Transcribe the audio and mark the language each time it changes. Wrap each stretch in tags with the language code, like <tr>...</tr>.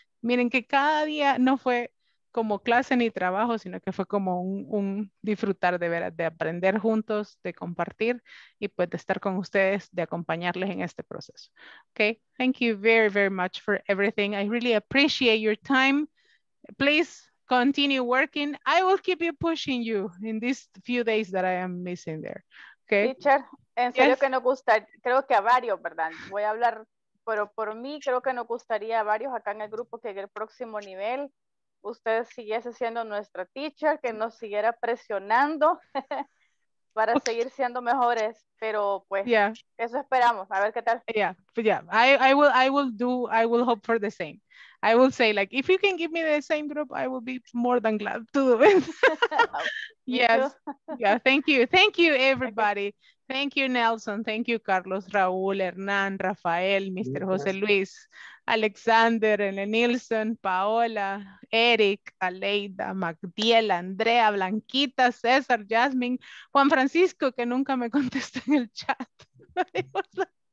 <es>Miren que cada día no fue como clase ni trabajo, sino que fue como un disfrutar de veras, de aprender juntos, de compartir y pues de estar con ustedes, de acompañarles en este proceso.</es> <en>Okay, thank you very, very much for everything. I really appreciate your time. Please continue working. I will keep you pushing you in these few days that I am missing there. Okay.</en> <es>Teacher, en serio que nos gusta, creo que a varios, ¿verdad? Voy a hablar, pero por mí creo que nos gustaría a varios acá en el grupo que en el próximo nivel usted siguiese siendo nuestra teacher, que nos siguiera presionando para seguir siendo mejores, pero pues eso esperamos, a ver qué tal.</es> <en>I will hope for the same. I will say, like, if you can give me the same group, I will be more than glad to do it. Yes. Yeah, thank you. Thank you, everybody. Thank you, Nelson. Thank you, Carlos, Raúl, Hernán, Rafael, Mr.</en> <es>José Luis, Alexander, Nelson, Paola, Eric, Aleida, Magdiel, Andrea, Blanquita, César, Jasmine, Juan Francisco, que nunca me contestó en el chat.</es>